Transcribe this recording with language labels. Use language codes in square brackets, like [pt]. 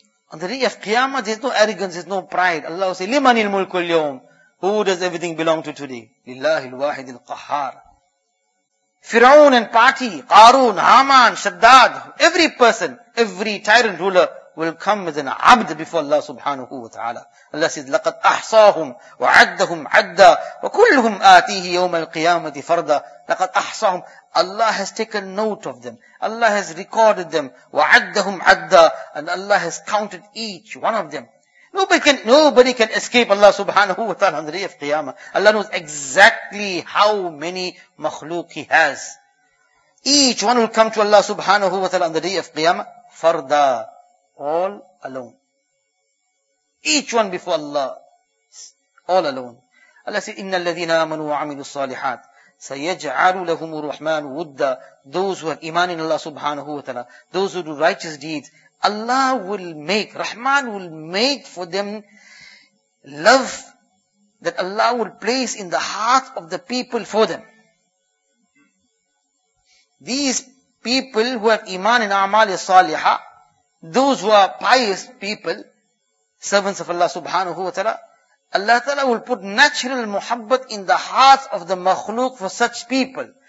[en] On the day of Qiyamah, there's no arrogance, there's no pride. Allah will say, [ar] لِمَنِ الْمُلْكُ الْيَوْمِ. [en] Who does everything belong to today? [ar] لِلَّهِ الْوَاحِدِ الْقَحَّارِ. [en] Fir'aun and party, Qarun, Haman, Shaddad, every person, every tyrant ruler will come as an abd before Allah subhanahu wa ta'ala. Allah says, [ar] لَقَدْ أَحْصَاهُمْ وَعَدَّهُمْ عَدَّا وَكُلْهُمْ آتِيهِ يَوْمَ الْقِيَامَةِ فَرْدًا. لَقَدْ أَحْصَاهُمْ. [en] Allah has taken note of them. Allah has recorded them. [ar] وَعَدَّهُمْ عَدَّا. [en] And Allah has counted each one of them. Nobody can escape Allah subhanahu wa ta'ala on the day of Qiyamah. Allah knows exactly how many makhluk He has. Each one will come to Allah subhanahu wa ta'ala on the day of Qiyamah. Farda. All alone. Each one before Allah. All alone. Allah says, [ar] إِنَّ الَّذِينَ آمَنُوا وَعَمِلُوا الصَّالِحَاتِ سَيَجْعَلُ لَهُمُ الرَّحْمَنُ وُدَّا. [en] Those who have iman in Allah subhanahu wa ta'ala. Those who do righteous deeds. Allah will make, Rahman will make for them love that Allah will place in the heart of the people for them. These people who have iman in amal saliha, those who are pious people, servants of Allah subhanahu wa ta'ala, Allah ta'ala will put natural muhabbat in the heart of the makhluk for such people.